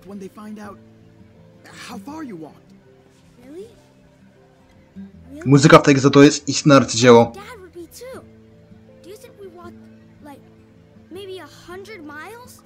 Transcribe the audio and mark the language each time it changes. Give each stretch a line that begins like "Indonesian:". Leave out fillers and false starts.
English: When they find out how far you walk. Really?
Polish: Muzyka w tej grze to jest istne arcydzieło.
English: Dad would be too. Do you think we walk like maybe 100 miles?